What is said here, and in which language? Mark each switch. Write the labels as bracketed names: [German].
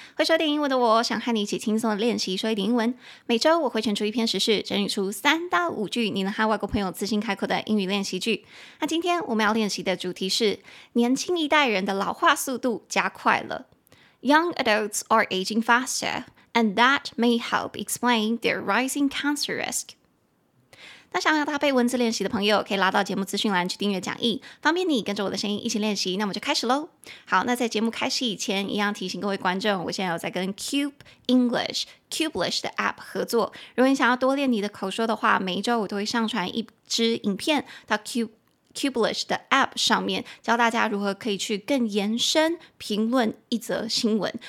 [Chinese] 会说点英文的我想和你一起轻松练习说一点英文，每周我会选出一篇时事，整理出三到五句你能和外国朋友自信开口的英语练习句。那今天我们要练习的主题是年轻一代人的老化速度加快了。 [English] Young adults are aging faster and that may help explain their rising cancer risk。 [Chinese] 那想要搭配文字练习的朋友可以拉到节目资讯栏去订阅讲义，方便你跟着我的声音一起练习。那我们就开始咯。好，那在节目开始以前一样提醒各位观众，我现在有在跟 Cube EnglishCubelish 的 app 合作，如果你想要多练你的口说的话，每一周我都会上传一支影片到 Cubelish 的 app 上面，教大家如何可以去更延伸评论一则新闻。